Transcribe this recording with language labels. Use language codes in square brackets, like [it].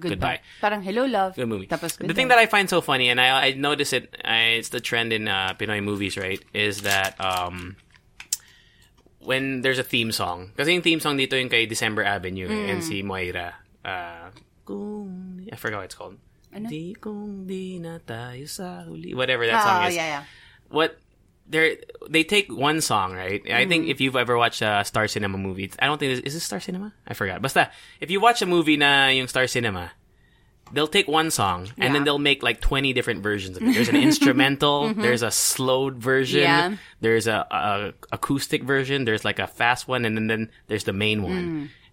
[en] goodbye. [tl] Parang [en] hello, love. Good movie. [tl] Tapos [en] the thing that I find so funny, and I notice it, it's the trend in Pinoy movies, right? Is that when there's a theme song, [tl] kasi yung theme song dito yung kay December Avenue and si Moira. [en] I forgot what it's called. [tl] Di kung di na tayo sa huli. [en] Whatever that song is. Oh, yeah. What? They take one song, right? Mm-hmm. I think if you've ever watched a Star Cinema movie, I don't think is this Star Cinema? I forgot. Basta, if you watch a movie [tl] na yung [en] Star Cinema, they'll take one song and then they'll make like 20 different versions of it. There's an instrumental, there's a slowed version, there's a acoustic version, there's like a fast one, and then there's the main one. Mm.